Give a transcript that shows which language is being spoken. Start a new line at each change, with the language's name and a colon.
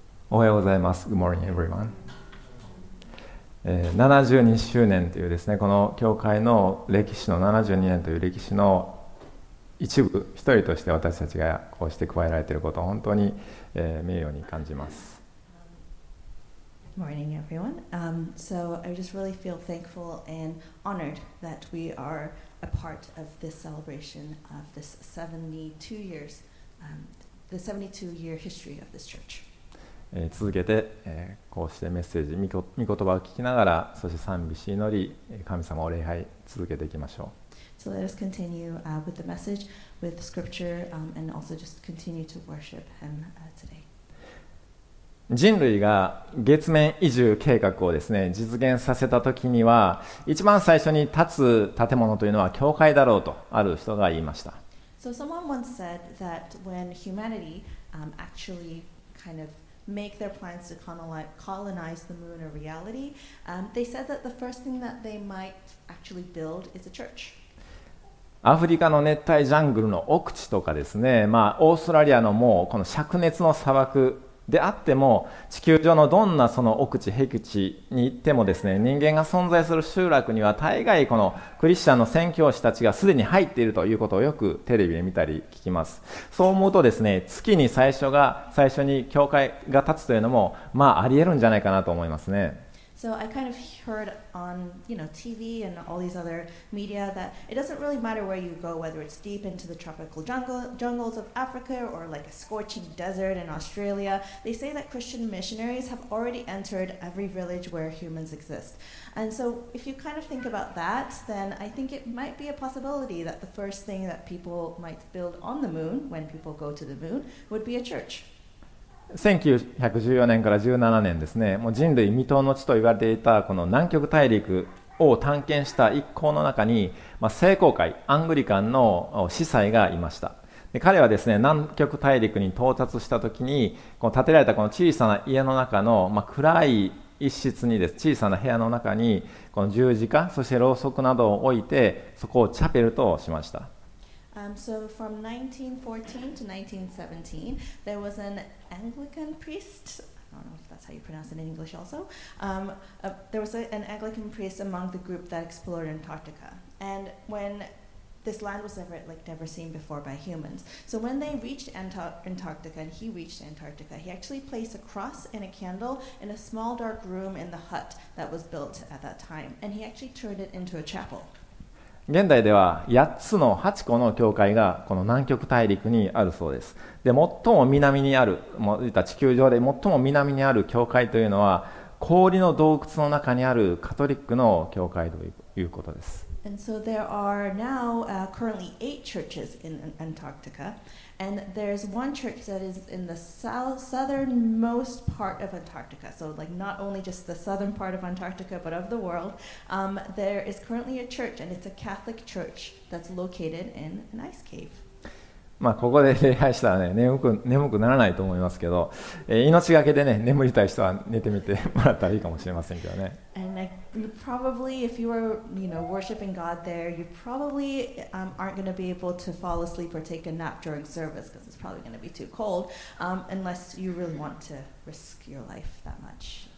Japanese: おはようございます。
English: Good morning everyone。
Japanese: 72周年というですね、この教会の歴史の72年という歴史の一部一人として私たちがこうして加えられていることを本当に、名誉に感じます。
English: Good morning everyone、So I just really feel thankful and honored that we are a part of this celebration of this 72 years、the 72 year history of this church。
Japanese: 続けて、こうしてメッセージ、御言葉を聞きながら、そして賛美し祈り、神様を礼拝続けていきましょう。
English: So let us continue, with the message, with the scripture, and also just continue to worship him, today.
Japanese: 人類が月面移住計画をですね、実現させた時には、一番最初に立つ建物というのは教会だろうとある人が言いました。
English: So someone once said that when humanity, actually kind of make their plans to colonize the moon a reality. They said that the first thing that they might actually build is a church.
Japanese: アフリカの熱帯ジャングルの奥地とかですね、まあオーストラリアのもうこの灼熱の砂漠であっても、地球上のどんなその奥地、僻地に行ってもですね、人間が存在する集落には大概このクリスチャンの宣教師たちがすでに入っているということをよくテレビで見たり聞きます。そう思うとですね、月に最初に教会が立つというのもまあありえるんじゃないかなと思いますね。
English: So I kind of heard on, you know, TV and all these other media that it doesn't really matter where you go, whether it's deep into the tropical jungles of Africa or like a scorching desert in Australia. They say that Christian missionaries have already entered every village where humans exist. And so if you kind of think about that, then I think it might be a possibility that the first thing that people might build on the moon when people go to the moon would be a church.
Japanese: 1914年から17年ですね、もう人類未踏の地と言われていたこの南極大陸を探検した一行の中に、まあ、聖公会アングリカンの司祭がいました。で、彼はですね、南極大陸に到達した時にこう建てられたこの小さな家の中の、まあ、暗い一室にです、小さな部屋の中にこの十字架、そしてろうそくなどを置いて、そこをチャペルとしました。
English: So from 1914 to 1917, there was an Anglican priest, I don't know if that's how you pronounce it in English also, there was an Anglican priest among the group that explored Antarctica. And when this land was never seen before by humans. So when they reached Antarctica and he reached Antarctica, he actually placed a cross and a candle in a small dark room in the hut that was built at that time. And he actually turned it into a chapel.
Japanese: 現代では8つの8個の教会がこの南極大陸にあるそうです。で、最も南にある、もう言った地球上で最も南にある教会というのは氷の洞窟の中にあるカトリックの教会ということです。
English: And so there are now, currently 8 churches in Antarctica. And there's one church that is in the southernmost part of Antarctica. So like not only just the southern part of Antarctica, but of the world. There is currently a church, and it's a Catholic church that's located in an ice cave.
Japanese: まあここで礼拝したらね、眠くならないと思いますけど、命がけでね、眠りたい人は寝てみてもらったらいいかもしれませんけどね。
English: And you probably, if you were, you know, worshiping God there, you probably, aren't going to be able to fall asleep or take a nap during service because it's probably going to be too cold, unless you really want to risk your life that much.